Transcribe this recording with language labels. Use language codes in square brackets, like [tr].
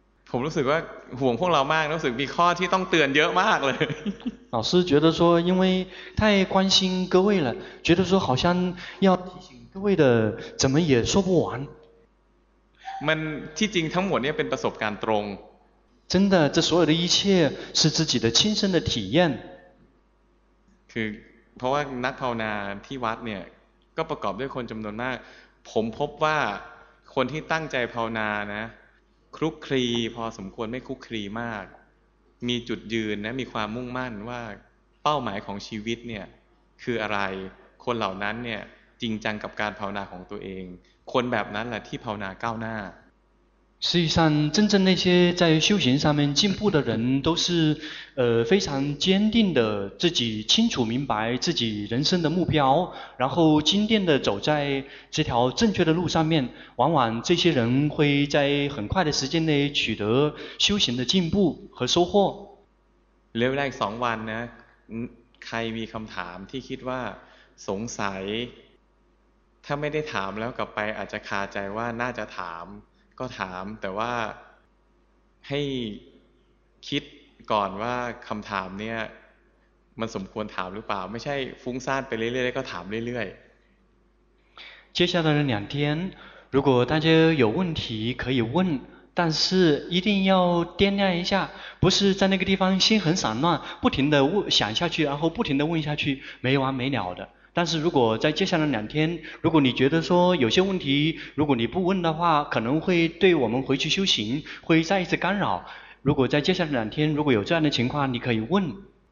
[th] ผมรู้สึกว่าห่วงพวกเรามากรู้สึกมีข้อที่ต้องเตือนเยอะมากเลย [zh] 老师觉得说因为太关心各位了觉得说好像要提醒各位的怎么也说不完 [th] มันที่จริงทั้งหมดเนี่ยเป็นประสบการณ์ตรง [zh] 真的这所有的一切是自己的亲身的体验 [th] คือเพราะว่านักภาวนาที่วัดเนี่ยก็ประกอบด้วยคนจำนวนมากผมพบว่าคนที่ตั้งใจภาวนานะคลุกคลีพอสมควรไม่คลุกคลีมากมีจุดยืนนะมีความมุ่งมั่นว่าเป้าหมายของชีวิตเนี่ยคืออะไรคนเหล่านั้นเนี่ยจริงจังกับการภาวนาของตัวเองคนแบบนั้นแหละที่ภาวนาก้าวหน้า [zh] 事实上真正那些在修行上面进步的人都是非常坚定的自己清楚明白自己人生的目标然后坚定的走在这条正确的路上面往往这些人会在很快的时间内取得修行的进步和收获 [th] เหลือเวลาอีก2วันนะใครมีคำถามที่คิดว่าสงสัยถ้าไม่ได้ถามแล้วกลับไปอาจจะคาใจว่าน่าจะถามก็ถามแต่ว่าให้คิดก่อนว่าคำถามเนี่ยมันสมควรถามหรือเปล่าไม่ใช่ฟุ้งซ่านไปเรื่อยๆก็ถามเรื่อย [zh] ๆ接下来的两天如果大家有问题可以问但是一定要掂量一下不是在那个地方心很散乱不停的问想下去然后不停的问下去没完没了的但是如果在接下来两天如果你觉得说有些问题如果你不问的话可能会对我们回去修行会再一次干扰如果在接下来两天如果有这样的情况你可以问